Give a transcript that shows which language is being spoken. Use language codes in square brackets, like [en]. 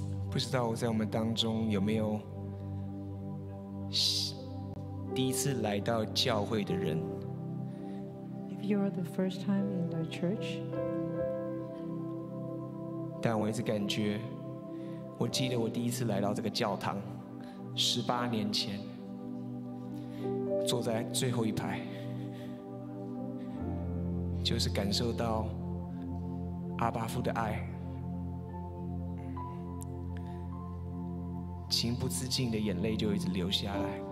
[zh] 不知道在我们当中有没有第一次来到教会的人。 [en] If you are the first time in the church, [zh] 但我一直感觉，我记得我第一次来到这个教堂，18年前，坐在最后一排，就是感受到阿爸父的爱，情不自禁的眼泪就一直流下来。